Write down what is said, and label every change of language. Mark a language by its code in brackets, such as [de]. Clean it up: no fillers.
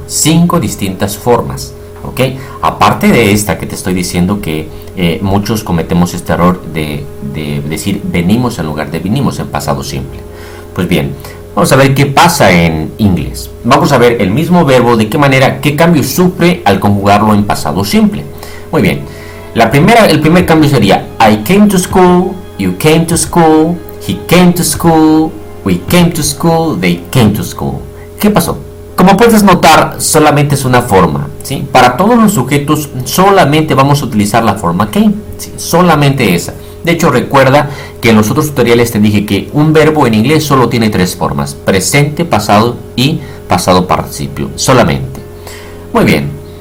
[es] Cinco distintas formas, ¿ok? Aparte de esta que te estoy diciendo que muchos cometemos este error de decir venimos en lugar de vinimos en pasado simple. Pues bien, vamos a ver qué pasa en inglés. Vamos a ver el mismo verbo, de qué manera, qué cambio sufre al conjugarlo en pasado simple. Muy bien. [en] El primer cambio sería I came to school, you came to school, he came to school, we came to school, they came to school. [es] ¿Qué pasó? Como puedes notar, solamente es una forma, ¿sí? Para todos los sujetos, solamente vamos a utilizar la forma came, ¿sí? Solamente esa. De hecho, recuerda que en los otros tutoriales te dije que un verbo en inglés solo tiene tres formas. Presente, pasado y pasado participio. Solamente. Muy bien.